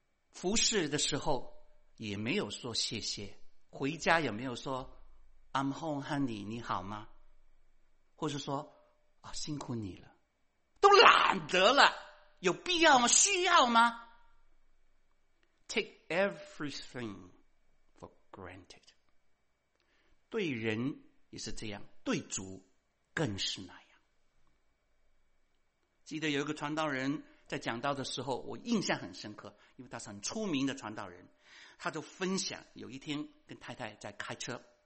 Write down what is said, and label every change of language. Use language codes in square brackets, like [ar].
[zh] 服侍的时候也没有说谢谢，回家也没有说 [en] I'm home, honey, [zh] 你好吗？或是说辛苦你了，都懒得了，有必要吗？需要吗？ [en] Take everything for granted. [zh] 对人也是这样，对主更是那样。记得有一个传道人在讲道的时候，我印象很深刻，因为他是很出名的传道人，他就分享有一天跟太太在开车，